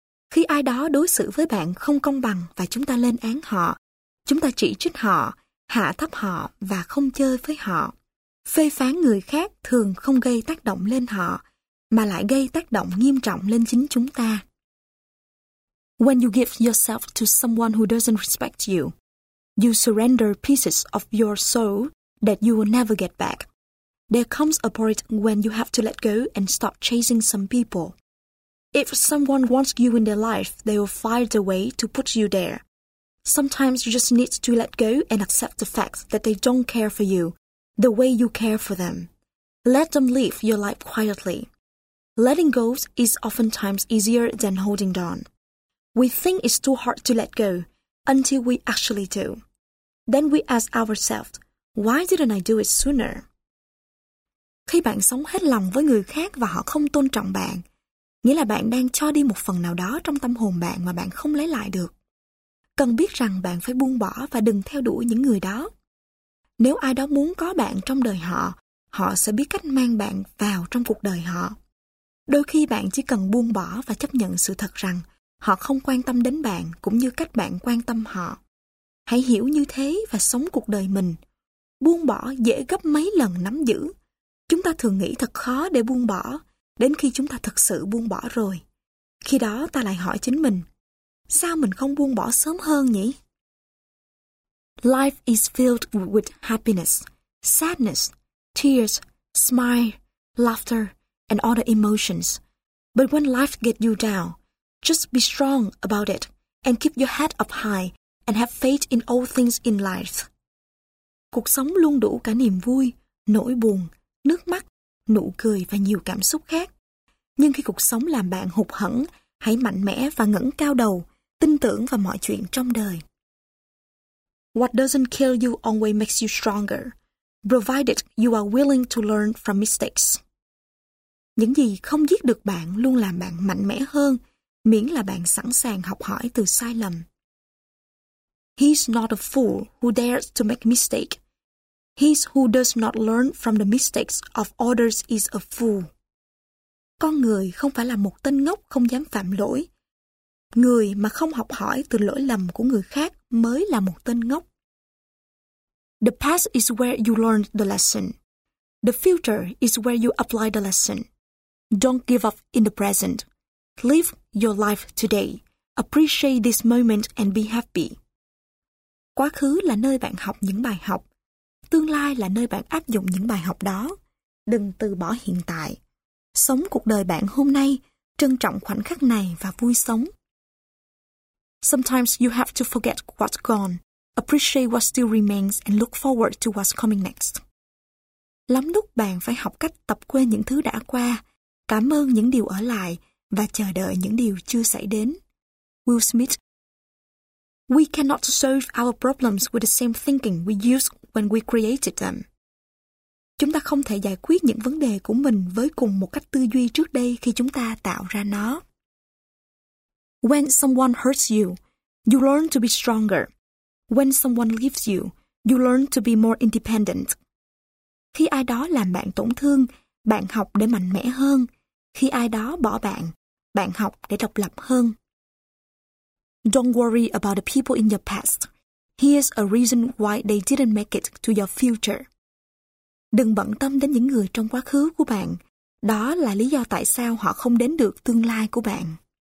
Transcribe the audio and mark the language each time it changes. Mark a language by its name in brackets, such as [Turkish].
[Vietnamese] Khi ai đó đối xử với bạn không công bằng và chúng ta lên án họ, chúng ta chỉ trích họ, hạ thấp họ và không chơi với họ. Phê phán người khác thường không gây tác động lên họ, mà lại gây tác động nghiêm trọng lên chính chúng ta. [English] When you give yourself to someone who doesn't respect you, you surrender pieces of your soul that you will never get back. There comes a point when you have to let go and stop chasing some people. If someone wants you in their life, they will find a way to put you there. Sometimes you just need to let go and accept the fact that they don't care for you the way you care for them. Let them live your life quietly. Letting go is oftentimes easier than holding on. We think it's too hard to let go until we actually do. Then we ask ourselves, why didn't I do it sooner? [Vietnamese] Khi bạn sống hết lòng với người khác và họ không tôn trọng bạn, nghĩa là bạn đang cho đi một phần nào đó trong tâm hồn bạn mà bạn không lấy lại được. Cần biết rằng bạn phải buông bỏ và đừng theo đuổi những người đó. Nếu ai đó muốn có bạn trong đời họ, họ sẽ biết cách mang bạn vào trong cuộc đời họ. Đôi khi bạn chỉ cần buông bỏ và chấp nhận sự thật rằng họ không quan tâm đến bạn cũng như cách bạn quan tâm họ. Hãy hiểu như thế và sống cuộc đời mình. Buông bỏ dễ gấp mấy lần nắm giữ. Chúng ta thường nghĩ thật khó để buông bỏ, đến khi chúng ta thực sự buông bỏ rồi. Khi đó ta lại hỏi chính mình, sao mình không buông bỏ sớm hơn nhỉ? [English] Life is filled with happiness, sadness, tears, smile, laughter, and other emotions. But when life gets you down, just be strong about it and keep your head up high and have faith in all things in life. [Vietnamese] Cuộc sống luôn đủ cả niềm vui, nỗi buồn, nước mắt, nụ cười và nhiều cảm xúc khác. Nhưng khi cuộc sống làm bạn hụt hẫng, hãy mạnh mẽ và ngẩng cao đầu, tin tưởng vào mọi chuyện trong đời. [English] What doesn't kill you always makes you stronger, provided you are willing to learn from mistakes. [Vietnamese] Những gì không giết được bạn luôn làm bạn mạnh mẽ hơn, miễn là bạn sẵn sàng học hỏi từ sai lầm. [English] He's not a fool who dares to make mistake. He's who does not learn from the mistakes of others is a fool. [Vietnamese] Con người không phải là một tên ngốc không dám phạm lỗi. Người mà không học hỏi từ lỗi lầm của người khác mới là một tên ngốc. [English] The past is where you learned the lesson. The future is where you apply the lesson. Don't give up in the present. Live your life today. Appreciate this moment and be happy. [Vietnamese] Quá khứ là nơi bạn học những bài học. Tương lai là nơi bạn áp dụng những bài học đó. Đừng từ bỏ hiện tại. Sống cuộc đời bạn hôm nay, trân trọng khoảnh khắc này và vui sống. [English] Sometimes you have to forget what's gone, appreciate what still remains and look forward to what's coming next. [Vietnamese] Lắm lúc bạn phải học cách tập quên những thứ đã qua, cảm ơn những điều ở lại và chờ đợi những điều chưa xảy đến. [English] Will Smith. We cannot solve our problems with the same thinking we used when we created them. [Vietnamese] Chúng ta không thể giải quyết những vấn đề của mình với cùng một cách tư duy trước đây khi chúng ta tạo ra nó. [English] When someone hurts you, you learn to be stronger. When someone leaves you, you learn to be more independent. [Vietnamese] Khi ai đó làm bạn tổn thương, bạn học để mạnh mẽ hơn. Khi ai đó bỏ bạn, bạn học để độc lập hơn. [English] Don't worry about the people in your past. Here's a reason why they didn't make it to your future. [Vietnamese] Đừng bận tâm đến những người trong quá khứ của bạn. Đó là lý do tại sao họ không đến được tương lai của bạn.